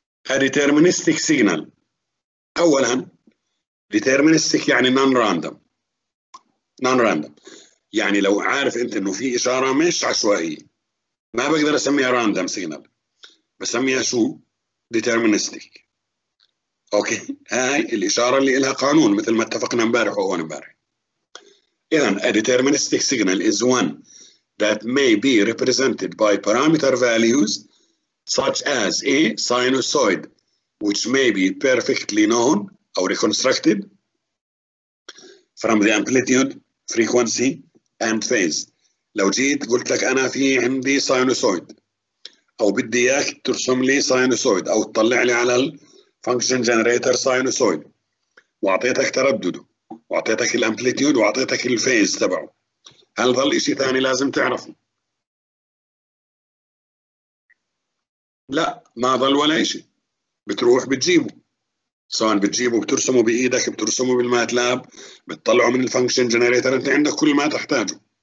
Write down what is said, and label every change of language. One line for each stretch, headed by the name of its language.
Arabic: الديترمينستيك سيجنال، أولا ديترمينستيك يعني نون راندم، نون راندم يعني لو عارف أنت أنه في إشارة مش عشوائية ما بقدر أسميها راندم سيجنال، بسميها شو؟ ديترمينستيك. أوكي، هاي الإشارة اللي إلها قانون مثل ما اتفقنا مبارح وهون مبارح. إذن
English: a deterministic signal is one that may be represented by parameter values such as a sinusoid which may be perfectly known or reconstructed from the amplitude, frequency and phase.
Arabic: لو جيت قلت لك أنا في عندي sinusoid أو بدي إياك ترسم لي sinusoid أو تطلع لي على ال function generator sinusoid وعطيتك تردده وعطيتك الامبليتيود وعطيتك الفيز تبعه، هل ظل إشي ثاني لازم تعرفه؟ لا، ما ظل ولا إشي، بتروح بتجيبه، سواء بتجيبه بترسمه بإيدك بترسمه بالماتلاب بتطلعه من الفانكشن جنريتر، أنت عندك كل ما تحتاجه.